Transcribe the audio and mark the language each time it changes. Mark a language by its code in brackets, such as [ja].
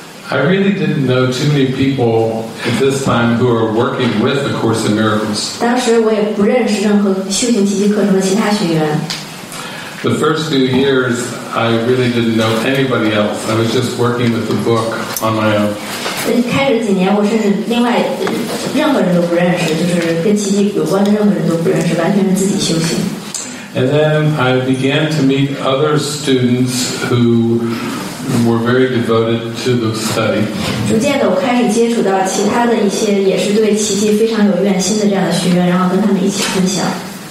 [en] I really didn't know too many people at this time who are working with the Course in Miracles. [zh] 当时我也不认识任何修行奇迹课程的其他学员。 [en] The first few years, I really didn't know anybody else. I was just working with the book on my own. And then I began to meet other students who were very devoted to the study.